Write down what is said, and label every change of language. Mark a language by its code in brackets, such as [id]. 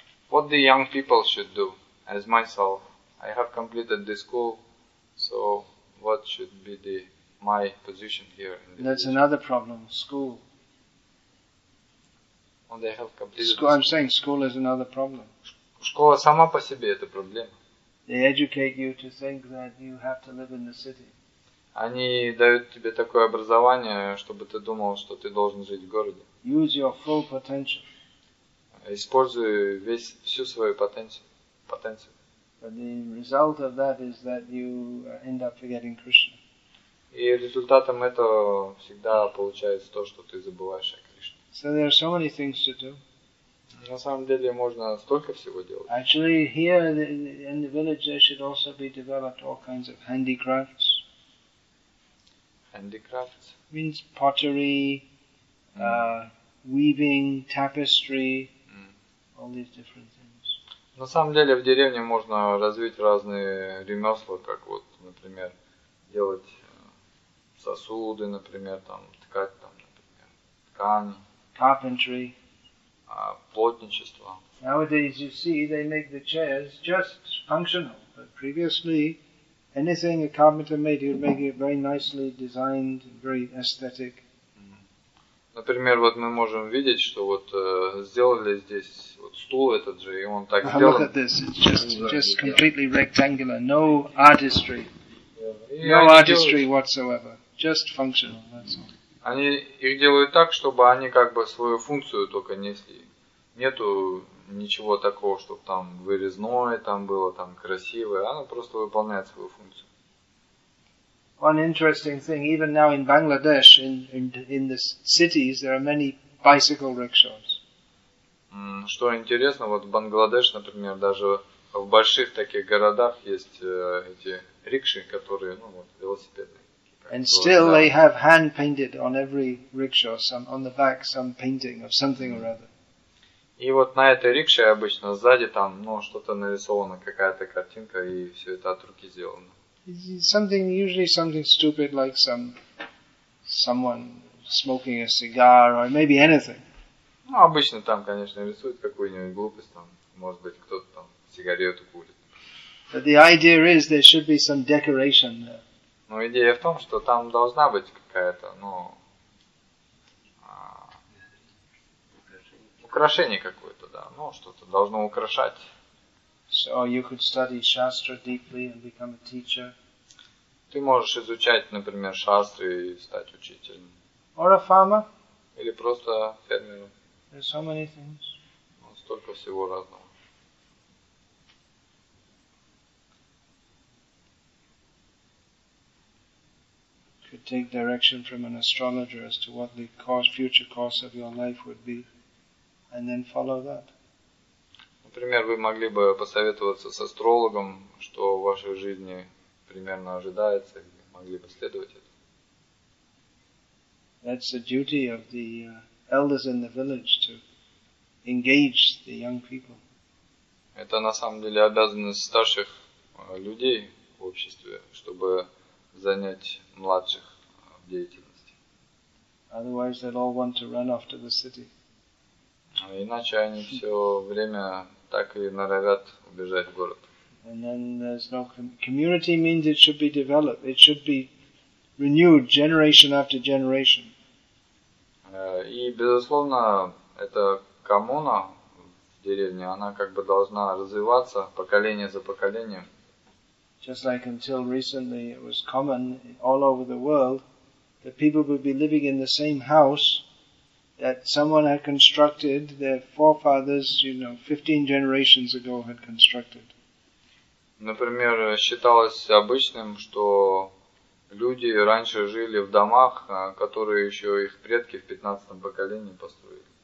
[en] What the young people should do, as myself, I have completed the school, so what should be the my position here? In That's position? Another problem, school. When they have completed school, school. I'm saying school is another problem. [ru] Школа сама по себе это проблема. [en] They educate you to think that you have to live in the city. [ru] Они дают тебе такое образование, чтобы ты думал, что ты должен жить в городе. [en] Use your full potential. [ru] Используй всю свою потенцию. [en] But the result of that is that you end up forgetting Krishna. [ru] И результатом этого всегда получается то, что ты забываешь о Кришне. [en] So there are so many things to do. [ru] На самом деле можно столько всего делать. [en] Actually, here in the village there should also be developed all kinds of handicrafts. Handicrafts? Means pottery, weaving, tapestry. All these different things. [ru] На самом деле в деревне можно развить разные ремесла, как вот, например, делать сосуды, например, там ткать там, например, ткани. [en] Carpentry. [ru] Плотничество. [en] Nowadays you see they make the chairs just functional, but previously anything a carpenter made, he would make it very nicely designed, very aesthetic. [ru] Например, вот мы можем видеть, что вот сделали здесь вот стул этот же, и он так сделан. [en] Look at this, it's just completely rectangular, no artistry, no artistry whatsoever, just functional, that's all. [ru] Они их делают так, чтобы они как бы свою функцию только несли. Нету ничего такого, чтобы там вырезное там было, там красивое, оно просто выполняет свою функцию. [en] One interesting thing, even now in Bangladesh, in the cities, there are many bicycle rickshaws. [ru] Что интересно, вот в Бангладеш, например, даже в больших таких городах есть эти рикши, которые, ну вот, велосипедные. [en] And still they have hand painted on every rickshaw, some on the back, some painting of something or other. [ru] И вот на этой рикше обычно сзади там, ну, что-то нарисовано, какая-то картинка, и все это от руки сделано. [en] Something usually something stupid like someone smoking a cigar or maybe anything. [ru] Ну обычно там, конечно, рисуют какую-нибудь глупость там, может быть, кто-то там сигарету курит. [en] But the idea is there should be some decoration there. [ru] Ну идея в том, что там должна быть какая-то, ну, украшение какое-то, да, ну что-то должно украшать. [en] So you could study shastra deeply and become a teacher. [ru] Ты можешь изучать, например, шастры и стать учителем. [en] Or a farmer. [ru] Или просто фермером. [en] There's so many things. [ru] Столько всего разного. [en] Could take direction from an astrologer as to what the course, future course of your life would be, and then follow that. [ru] Например, вы могли бы посоветоваться с астрологом, что в вашей жизни примерно ожидается, и могли бы следовать этому. [en] That's the duty of the elders in the village to engage the young people. [ru] Это на самом деле обязанность старших людей в обществе, чтобы занять младших в деятельности. [en] Otherwise they'd all want to run off to the city. [ru] Иначе они все время так и норовят убежать в город. [en] And then there's no community means it should be developed. It should be renewed generation after generation. [ru] И безусловно, эта коммуна в деревне, она как бы должна развиваться поколение за поколением. [en] Just like until recently it was common all over the world that people would be living in the same house that someone had constructed, their forefathers, you know, 15 generations ago had constructed. [ru] Например, считалось обычным, что люди раньше жили в домах, которые еще их предки в 15-м поколении построили.